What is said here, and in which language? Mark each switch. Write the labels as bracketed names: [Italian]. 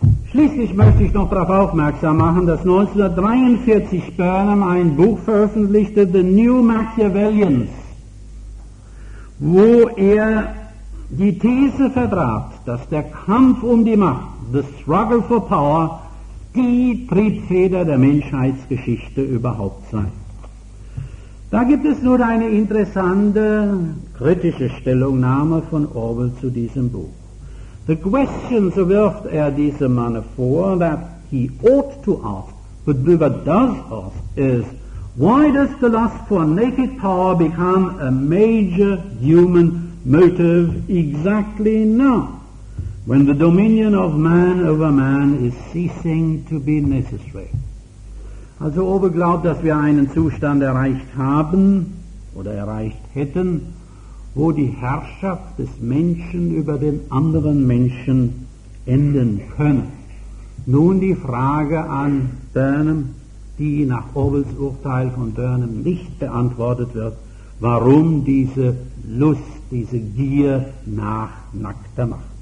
[German] Schließlich möchte ich noch darauf aufmerksam machen, dass 1943 Burnham ein Buch veröffentlichte, The New Machiavellians, wo er die These vertrat, dass der Kampf um die Macht, [English] The Struggle for Power, [German] die Triebfeder der Menschheitsgeschichte überhaupt sei. Da gibt es nur eine interessante kritische Stellungnahme von Orwell zu diesem Buch. [English] The question, [German] so wirft er diesem Manne vor, [English] that he ought to ask, but Buber does ask, is, why does the lust for naked power become a major human motive exactly now, when the dominion of man over man is ceasing to be necessary? [German] Also Orwell glaubt, dass wir einen Zustand erreicht haben oder erreicht hätten, wo die Herrschaft des Menschen über den anderen Menschen enden könne. Nun die Frage an Burnham, die nach Orwells Urteil von Burnham nicht beantwortet wird, warum diese Lust, diese Gier nach nackter Macht.